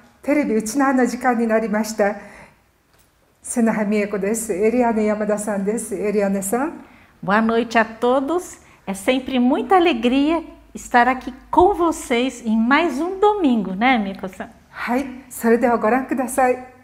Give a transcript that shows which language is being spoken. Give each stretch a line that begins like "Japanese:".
Japanese: テレビうちなわの時間になりました。瀬那葉美恵子です。エリアネ山田さんです。エリアネさん。
Portuguese: Boa noite a todos. É sempre muita alegria estar aqui com vocês em mais domingo, né, Mico さん?
Japanese: はい、それではご覧ください。